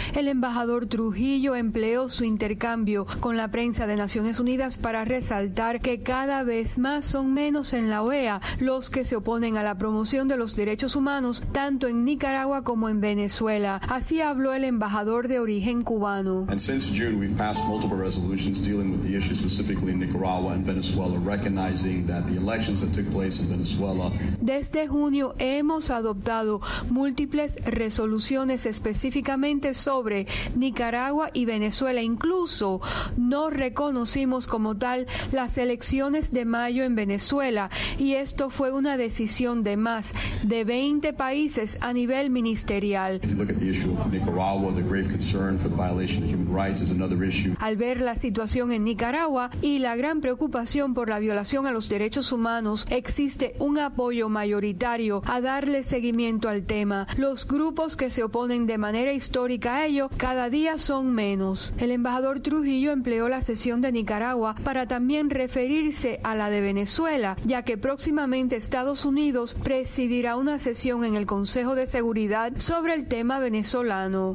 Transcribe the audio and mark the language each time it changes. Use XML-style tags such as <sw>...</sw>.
<es>El embajador Trujillo empleó su intercambio con la prensa de Naciones Unidas para resaltar que cada vez más son menos en la OEA los que se oponen a la promoción de los derechos humanos, tanto en Nicaragua como en Venezuela. Así habló el embajador de origen cubano.</es> <en>Passed multiple resolutions dealing with the issue specifically in Nicaragua and Venezuela, recognizing that the elections that took place in Venezuela.</en> <es>Desde junio hemos adoptado múltiples resoluciones específicamente sobre Nicaragua y Venezuela. Incluso no reconocimos como tal las elecciones de mayo en Venezuela, y esto fue una decisión de más de 20 países a nivel ministerial.</es> <en>If you look at the issue of Nicaragua, the grave concern for the violation of human rights is another.</en> <es>Al ver la situación en Nicaragua y la gran preocupación por la violación a los derechos humanos, existe un apoyo mayoritario a darle seguimiento al tema. Los grupos que se oponen de manera histórica a ello cada día son menos. El embajador Trujillo empleó la sesión de Nicaragua para también referirse a la de Venezuela, ya que próximamente Estados Unidos presidirá una sesión en el Consejo de Seguridad sobre el tema venezolano.</es>